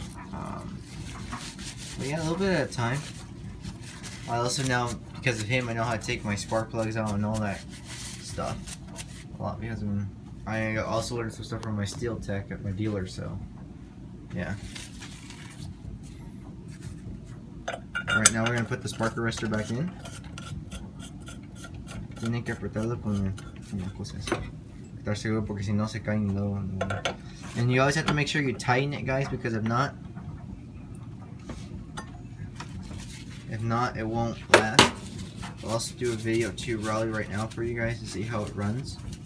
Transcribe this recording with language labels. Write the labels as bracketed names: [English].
[English] But yeah, a little bit at a time. I also now, because of him, I know how to take my spark plugs out and all that stuff. A lot, because I also learned some stuff from my Stihl tech at my dealer, so. Yeah. Alright, now we're gonna put the spark arrestor back in. [Spanish] Tienen que apretarlo con una cosa así. Estar seguro porque si no se caen y luego. [English] And you always have to make sure you tighten it, guys, because if not, it won't last. I'll also do a video to Raleigh right now for you guys to see how it runs.